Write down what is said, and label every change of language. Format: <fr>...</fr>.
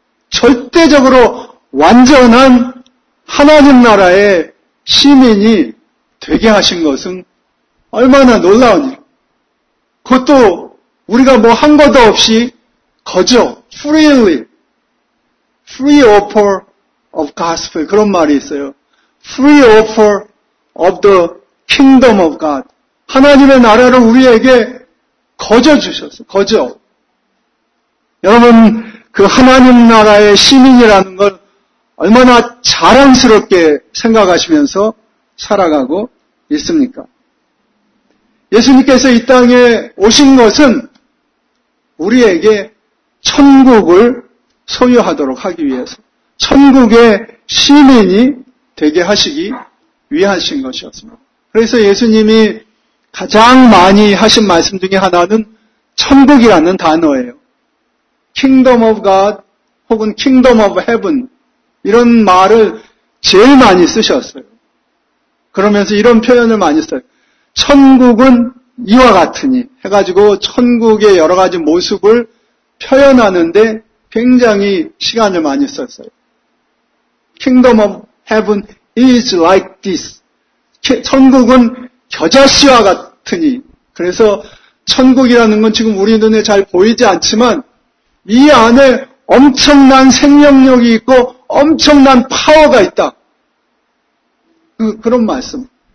<ko>절대적으로 완전한 하나님 나라의 시민이 되게 하신 것은 얼마나 놀라운 일. 그것도 우리가 뭐 한 것도 없이 거저</ko> <en>freely, free offer of gospel</en> <ko>그런 말이 있어요.</ko> <en>Free offer of the kingdom of God.</en> <ko>하나님의 나라를 우리에게 거저 주셨어. 거저. 여러분 그 하나님 나라의 시민이라는 걸 얼마나 자랑스럽게 생각하시면서 살아가고 있습니까? 예수님께서 이 땅에 오신 것은 우리에게 천국을 소유하도록 하기 위해서 천국의 시민이 되게 하시기 위하신 것이었습니다. 그래서 예수님이 가장 많이 하신 말씀 중에 하나는 천국이라는 단어예요.</ko> <en>Kingdom of God</en> <ko>혹은</ko> <en>Kingdom of Heaven</en> <ko>이런 말을 제일 많이 쓰셨어요. 그러면서 이런 표현을 많이 써요. 천국은 이와 같으니 해가지고 천국의 여러 가지 모습을 표현하는데 굉장히 시간을 많이 썼어요.</ko> <en>Kingdom of Heaven is like this.</en> <ko>천국은 겨자씨와 같으니 그래서 천국이라는 건 지금 우리 눈에 잘 보이지 않지만 이 안에 엄청난 생명력이 있고 엄청난 파워가 있다. 그런 말씀.</ko>